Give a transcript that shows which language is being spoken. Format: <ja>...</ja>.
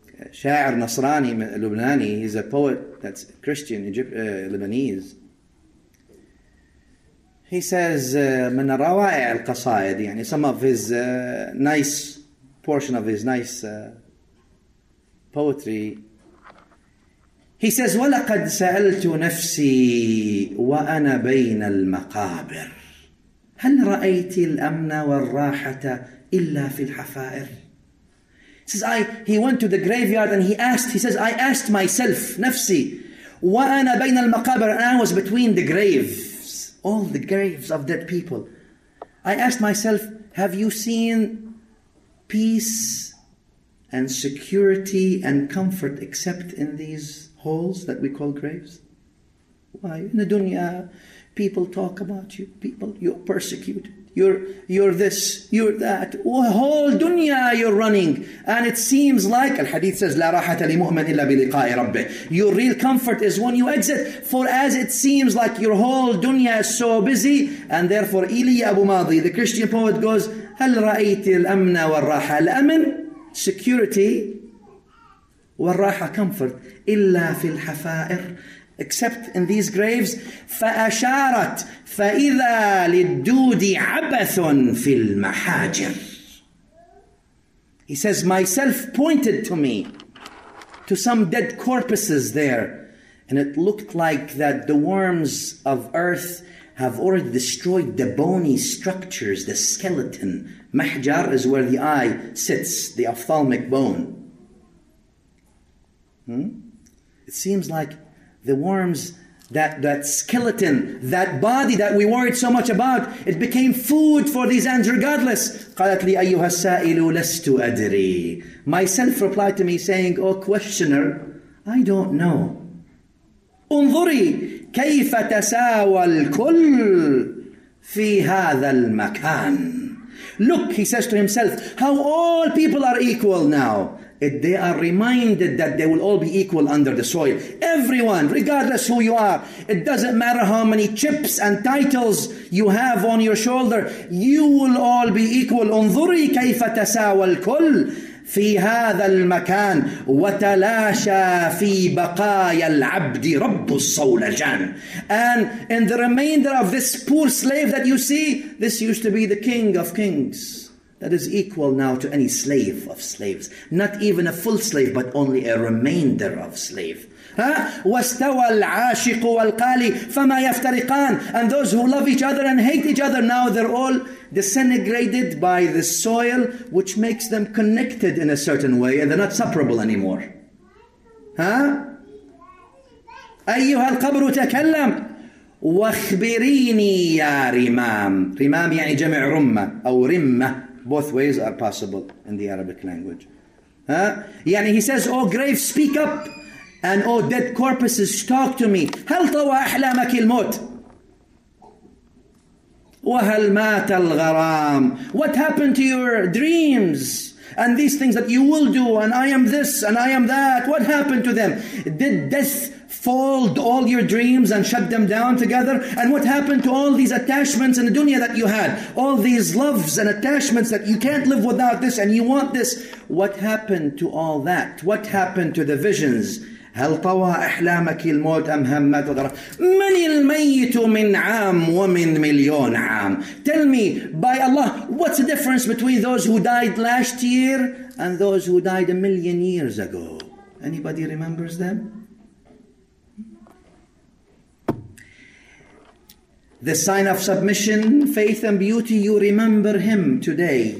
<ar>شاعر نصراني لبناني.</ar> <en>He's a poet that's Christian, Lebanese. He says</en> <ar>من روائع القصائد يعني</ar> <en>some of his nice portion of his nice poetry. He says</en> <ar>ولقد سألت نفسي وأنا بين المقابر هل رأيت الأمن والراحة إلا في الحفائر.</ar> <en>Says he went to the graveyard and he asked myself</en> <ar>نفسي وأنا بين المقابر</ar> <en>and I was between the grave. All the graves of dead people. I asked myself, have you seen peace and security and comfort except in these holes that we call graves? Why? In the dunya, people talk about you. People, you're persecuted. You're this, you're that. Whole dunya you're running. And it seems like, al hadith says,</en> <ar>لا راحة لمؤمن إلا بلقاء ربه.</ar> <en>Your real comfort is when you exit. For as it seems like your whole dunya is so busy, and therefore, Ilya Abu Madi, the Christian poet goes,</en> <ar>هل رأيت الأمن والراحة؟</ar> <en>الأمن, security, والراحة, comfort,</en> <ar>إلا في الحفائر.</ar> <en>Except in these graves,</en> <ar>فأشارت فإذا للدود عبث في المحاجر.</ar> <en>He says, myself pointed to me to some dead corpses there, and it looked like that the worms of earth have already destroyed the bony structures, the skeleton. Mahjar is where the eye sits, the ophthalmic bone. It seems like the worms, that skeleton, that body that we worried so much about, it became food for these Andrew godless.</en> <ar>قالت لي أيها السائل لست أدري.</ar> <en>Myself replied to me saying, oh questioner, I don't know.</en> <ar>انظري كيف تساوى الكل في هذا المكان.</ar> <en>Look, he says to himself, how all people are equal now. They are reminded that they will all be equal under the soil. Everyone, regardless who you are, it doesn't matter how many chips and titles you have on your shoulder, you will all be equal.</en> <ar>انظري كيف تساوى الكل في هذا المكان وتلاشى في بقايا العبد رب الصولجان.</ar> <en>And in the remainder of this poor slave that you see, this used to be the king of kings. That is equal now to any slave of slaves. Not even a full slave, but only a remainder of slave.</en> <ar>وَاسْتَوَى الْعَاشِقُ وَالْقَالِ فَمَا يَفْتَرِقَانِ.</ar> <en>And those who love each other and hate each other, now they're all disintegrated by the soil, which makes them connected in a certain way, and they're not separable anymore.</en> <ar>أَيُّهَا الْقَبْرُ تَكَلَّمْ وَاخْبِرِينِي يَا رِمَامِ. رِمَام يعني جمع رُمَّة أو رِمَّة.</ar> <en>Both ways are possible in the Arabic language. يعني he says, oh grave, speak up. And oh dead corpses, talk to me.</en> <ar>هل طوى أحلامك الموت؟ وهل مات الغرام؟</ar> <en>What happened to your dreams? And these things that you will do, and I am this, and I am that. What happened to them? Did death fold all your dreams and shut them down together? And what happened to all these attachments in the dunya that you had? All these loves and attachments that you can't live without this and you want this. What happened to all that? What happened to the visions?</en> <ar>هل طوى أحلامك الموت أم همت وغرام. من الميت من عام ومن مليون عام.</ar> <en>Tell me, by Allah, what's the difference between those who died last year and those who died a million years ago? Anybody remembers them? The sign of submission, faith and beauty, you remember him today.</en>